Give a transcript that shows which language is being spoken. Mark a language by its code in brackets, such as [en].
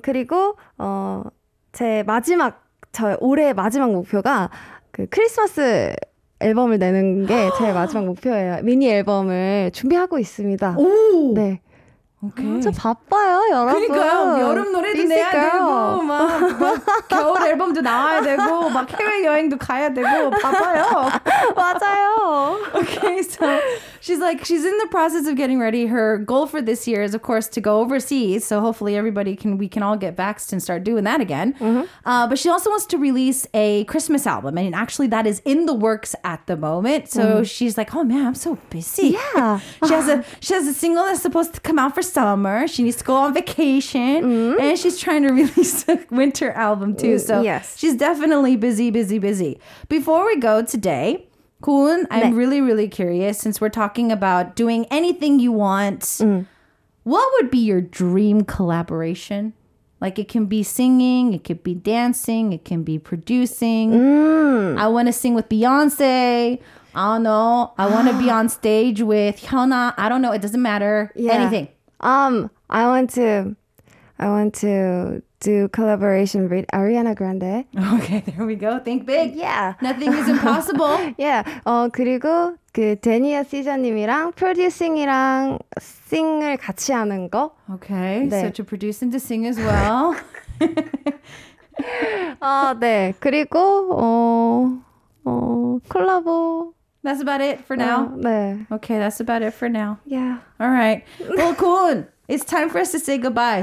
[ko] 그리고 저의 올해 마지막 목표가 크리스마스 앨범을 내는 게 제 마지막 목표예요. 미니 앨범을 준비하고 있습니다. 오! 네. 오케이. 진짜 바빠요, 여러분. 그러니까요. 여름 노래도 있을까요? 내야 되고 막 겨울 앨범도 나와야 되고 막 해외 여행도 가야 되고 바빠요. 맞아요. [en] Okay, so she's like she's in the process of getting ready. Her goal for this year is of course to go overseas, so hopefully everybody we can all get vaxxed and start doing that again. Mm-hmm. But she also wants to release a Christmas album, and actually that is in the works at the moment. So she's like, "Oh man, I'm so busy." Yeah. she has a single that's supposed to come out for summer. She needs to go on vacation. Mm-hmm. And she's trying to release a winter album too. So yes, she's definitely busy, busy, busy. Before we go today, Kwon, I'm really, really curious, since we're talking about doing anything you want, what would be your dream collaboration? Like, it can be singing, it could be dancing, it can be producing. I want to sing with Beyonce. I don't know. I want to be on stage with Hyuna. I don't know. It doesn't matter. Yeah. Anything. I want to do collaboration with Ariana Grande. Okay, there we go. Think big. Yeah. Nothing is impossible. Yeah. [ko] 그리고 그 데니아 시저님이랑 프로듀싱이랑 싱을 같이 하는 거. [en] Okay. 네. So to produce and to sing as well. [ko] 네. 그리고 콜라보. [en] That's about it for now? [ko] 네. [en] Okay, that's about it for now. Yeah. All right. Well, Kwon, it's time for us to say goodbye.